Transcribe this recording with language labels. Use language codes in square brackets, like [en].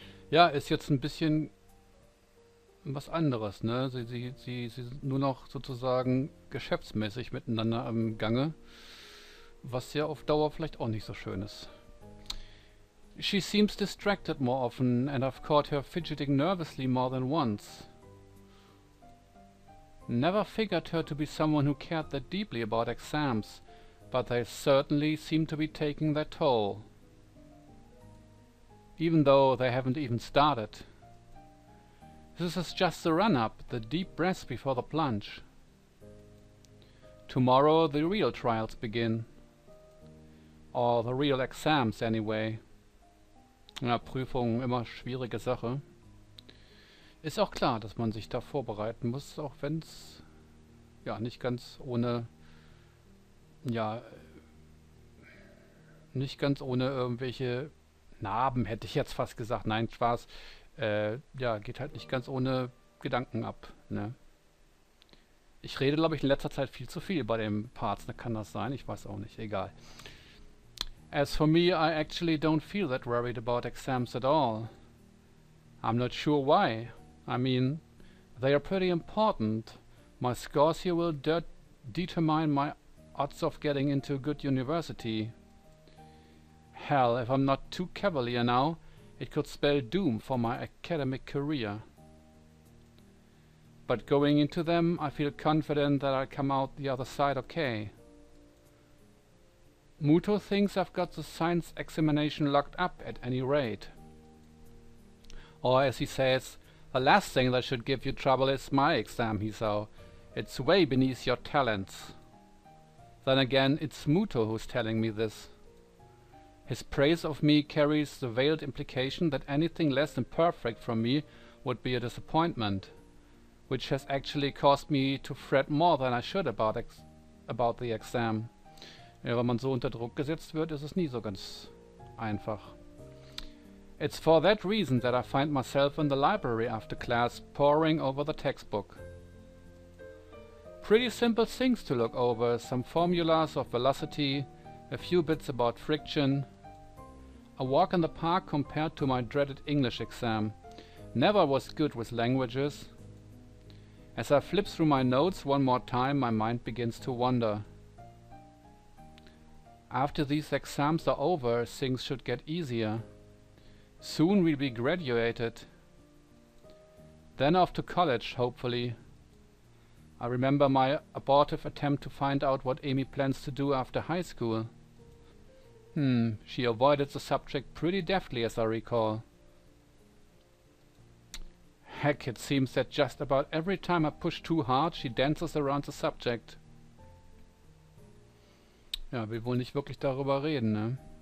[de] Ja, ist jetzt ein bisschen was anderes, ne? Sie sind nur noch sozusagen geschäftsmäßig miteinander im Gange. Was ja auf Dauer vielleicht auch nicht so schön ist. [en] She seems distracted more often, and I've caught her fidgeting nervously more than once. Never figured her to be someone who cared that deeply about exams, but they certainly seem to be taking their toll. Even though they haven't even started. This is just the run-up, the deep breaths before the plunge. Tomorrow the real trials begin. Or the real exams, anyway. [de] Ja, Prüfungen, immer schwierige Sache. Ist auch klar, dass man sich da vorbereiten muss, auch wenn es ja nicht ganz ohne, ja, nicht ganz ohne irgendwelche Narben, hätte ich jetzt fast gesagt. Nein, Spaß. Ja, geht halt nicht ganz ohne Gedanken ab, ne? Ich rede, glaube ich, in letzter Zeit viel zu viel bei den Parts, ne? Kann das sein? Ich weiß auch nicht. Egal. [en] As for me, I actually don't feel that worried about exams at all. I'm not sure why. I mean, they are pretty important. My scores here will determine my odds of getting into a good university. Hell, if I'm not too cavalier now, it could spell doom for my academic career. But going into them, I feel confident that I'll come out the other side okay. Muto thinks I've got the science examination locked up at any rate. Or as he says, the last thing that should give you trouble is my exam, Hisao. It's way beneath your talents. Then again, it's Muto who's telling me this. His praise of me carries the veiled implication that anything less than perfect from me would be a disappointment, which has actually caused me to fret more than I should about the exam. [de] Ja, wenn man so unter Druck gesetzt wird, ist es nie so ganz einfach. [en] It's for that reason that I find myself in the library after class, poring over the textbook. Pretty simple things to look over, some formulas of velocity, a few bits about friction. A walk in the park compared to my dreaded English exam. Never was good with languages. As I flip through my notes one more time, my mind begins to wander. After these exams are over, things should get easier. Soon we'll be graduated. Then off to college, hopefully. I remember my abortive attempt to find out what Amy plans to do after high school. She avoided the subject pretty deftly, as I recall. Heck, it seems that just about every time I push too hard, she dances around the subject. [de] Ja, wir wollen nicht wirklich darüber reden, ne?